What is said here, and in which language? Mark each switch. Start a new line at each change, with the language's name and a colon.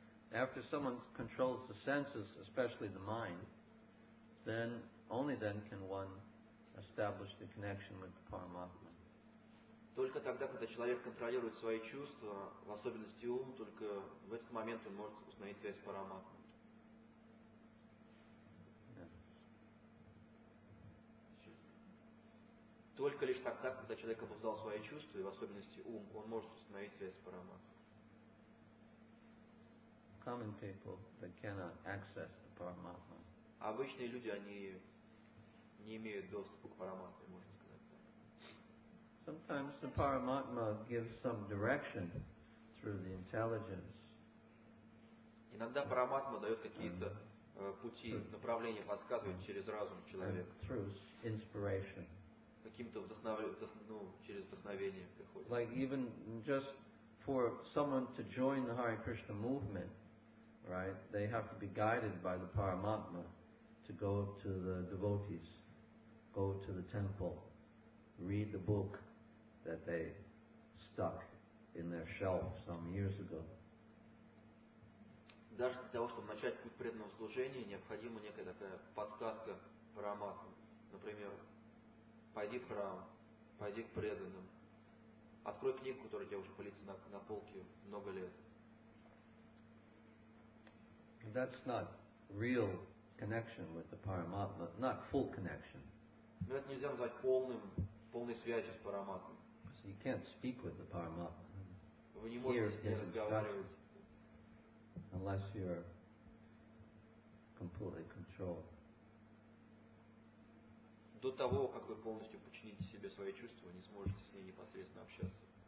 English: After someone controls the senses, especially the mind, then only then can one establish the connection with the Paramatma.
Russian: Только тогда, когда человек контролирует свои чувства, в особенности ум, только в этот момент он может установить связь с Параматмой.
English: Yes.
Russian: Только лишь тогда, когда человек обуздал свои чувства, и в особенности ум, он может установить связь с Параматмой.
English: Common people, they cannot access the Paramatma.
Russian: Обычные люди, они не имеют доступа к Параматме, можно сказать.
English: Sometimes the Paramatma gives some direction through the intelligence.
Russian: Иногда Параматма дает какие-то пути, направления, подсказывает через разум человека.
English: Through inspiration.
Russian: Каким-то через вдохновение приходит.
English: Like even just for someone to join the Hare Krishna movement, right, they have to be guided by the Paramatma to go to the devotees, go to the temple, read the book that they stuck in their shelf some years ago.
Russian: Даже для того, чтобы начать путь преданного служения, необходима некая такая подсказка Параматмы. Например, пойди в храм, пойди к преданным, открой книгу, которая у тебя уже пылится на полке много лет.
English: That's not real connection with the Paramatma, not full connection.
Russian: Но это нельзя назвать полной связью с Параматмой.
English: You can't speak with the Paramatma.
Russian: Вы не можете с ним разговаривать.
English: Unless you're completely controlled.
Russian: До того, как вы полностью подчините себе свои чувства, не сможете с ней непосредственно общаться.